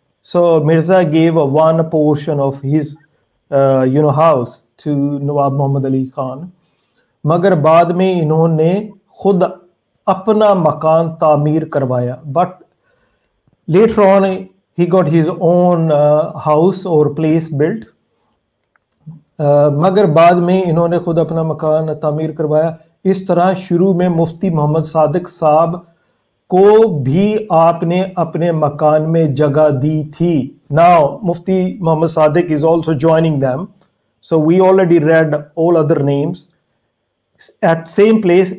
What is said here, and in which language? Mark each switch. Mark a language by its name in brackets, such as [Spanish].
[English] So Mirza gave one portion of his house to Nawab Muhammad Ali Khan. [Hindi] मगर बाद में इन्होंने खुद अपना मकान तामीर करवाया. [English] But later on he got his own house or place built. [Hindi] मगर बाद में इन्होंने खुद अपना मकान तामीर करवाया. इस तरह शुरू में मुफ्ती मोहम्मद सादिक साहब को भी आपने अपने मकान में जगह दी थी. [English] Now Mufti Mohammad Sadiq is also joining them. So we already read all other names at same place.